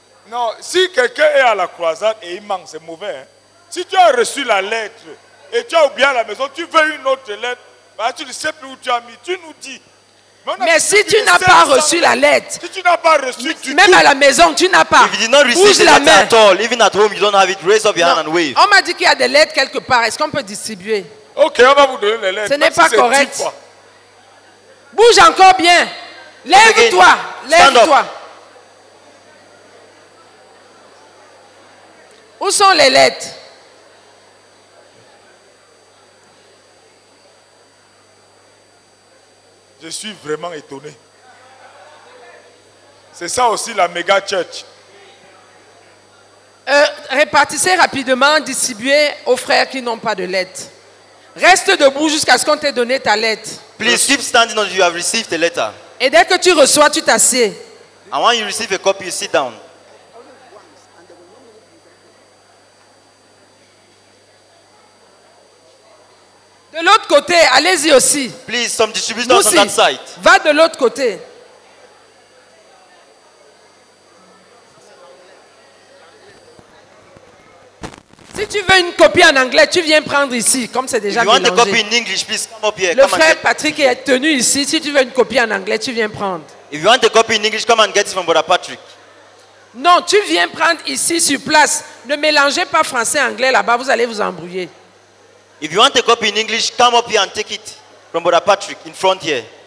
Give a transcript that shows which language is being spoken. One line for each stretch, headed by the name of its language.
French: Non, si quelqu'un est à la croisade et il manque, c'est mauvais. Hein? Si tu as reçu la lettre et tu as oublié à la maison, tu veux une autre lettre, bah, tu ne sais plus où tu as mis, tu nous dis. Mais si tu n'as pas reçu la lettre, si tu n'as pas reçu du tout, même à la maison, tu n'as pas.
English: If you did not receive
French: la main.
English: At all, even at home, you don't have it, raise up your hand and wave.
French: On m'a dit qu'il y a des lettres quelque part. Est-ce qu'on peut distribuer? Ok, on va vous donner les lettres. Ce n'est pas correct. Bouge encore bien. Lève-toi. Lève-toi. Où sont les lettres? Je suis vraiment étonné. C'est ça aussi la méga church. Répartissez rapidement, distribuez aux frères qui n'ont pas de lettre. Reste debout jusqu'à ce qu'on t'ait donné ta lettre.
English: Please keep standing until you have received the letter.
French: Et dès que tu reçois, tu t'assieds.
English: And when you receive a copy, you sit down.
French: De l'autre côté, allez-y aussi.
English: Please, some distribution aussi. On that side.
French: Va de l'autre côté. Si tu veux une copie en anglais, tu viens prendre ici, comme c'est déjà mélangé.
English: If you want a copy in English, please come up here.
French: Le frère Patrick est tenu ici. Si tu veux une copie en anglais, tu viens prendre.
English: If you want a copy in English, come and get it from Brother Patrick.
French: Non, tu viens prendre ici sur place. Ne mélangez pas français et anglais là-bas, vous allez vous embrouiller.
English: If you want a copy in English, come up here and take it from Brother Patrick in front here.